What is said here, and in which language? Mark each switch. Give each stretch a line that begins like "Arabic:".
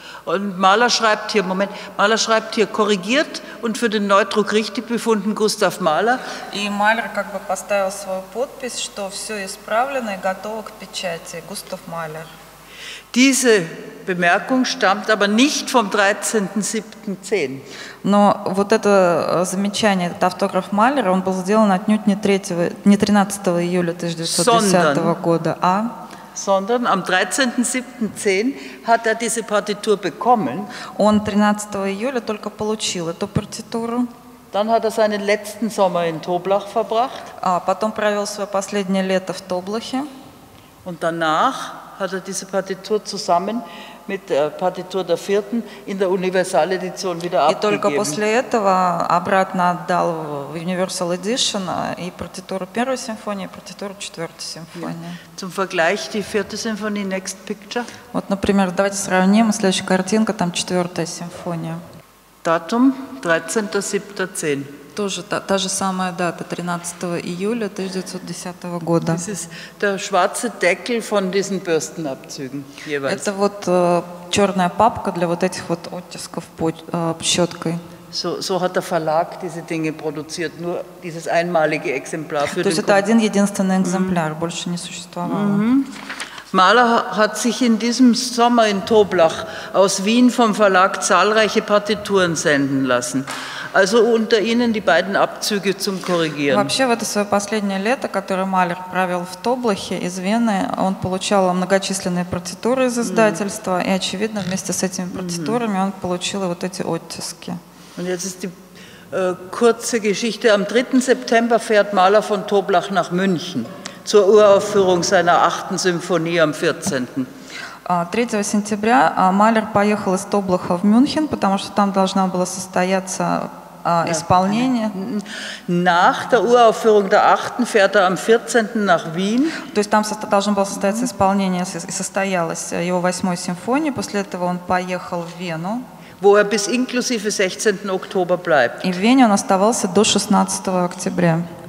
German: Und Mahler schreibt hier, Moment, Mahler schreibt hier korrigiert und für den Neudruck richtig befunden Gustav Mahler.
Russian: И Малер как бы поставил свою подпись, что все исправлено и готово к печати. Густав Малер.
German: Diese Bemerkung stammt aber nicht vom 13.07.10.
Russian: Но вот это замечание, этот автограф Малера, он был сделан отнюдь не 13 июля 1910 года, а...
German: Sondern am 13.07.10 hat diese Partitur bekommen.
Russian: Он 13 июля только получил эту партитуру.
German: Dann hat seinen letzten Sommer in Toblach verbracht.
Russian: А потом провел свое последнее лето в Тоблахе.
German: Und danach hat diese Partitur zusammen mit der Partitur der vierten in der Universal-Edition wieder abgegeben.
Russian: И только после этого обратно отдал в Universal Edition и партитуру первой симфонии, и партитуру четвертой симфонии.
German: Zum Vergleich die vierte Symphonie
English: next picture.
Russian: Вот, например, давайте сравним, следующая картинка, там четвертая симфония.
German: Datum 13.07.10.
Russian: Тоже та же самая дата, 13 июля 1910 года.
German: Das ist der schwarze Deckel von diesen Bürstenabzügen jeweils.
Russian: Это вот черная папка для вот этих вот оттисков щеткой.
German: So hat der Verlag diese Dinge produziert, nur dieses einmalige Exemplar für
Russian: То есть это один единственный экземпляр, больше не существовало.
German: Mahler hat sich in diesem Sommer in Toblach aus Wien vom Verlag zahlreiche Partituren senden lassen. Also unter ihnen die beiden Abzüge zum Korrigieren.
Russian: Вообще, в это свое последнее лето, которое Малер провел в Тоблахе из Вены, он получал многочисленные партитуры из издательства, и, очевидно, вместе с этими партитурами он получил вот эти оттиски.
German: Und jetzt ist die kurze Geschichte. Am 3. September fährt Mahler von Toblach nach München zur Uraufführung seiner 8. Symphonie am 14.
Russian: 3 сентября Малер поехал из Тоблаха в Мюнхен, потому что там должна была состояться исполнение.
German: Nach der Uraufführung der 8. fährt am 14. nach Wien.
Russian: То есть там должно было состояться исполнение, состоялось его 8. симфонии, после этого он поехал в Вену.
German: Wo bis inklusive 16. Oktober bleibt.
Russian: И в Вене он оставался до 16 октября.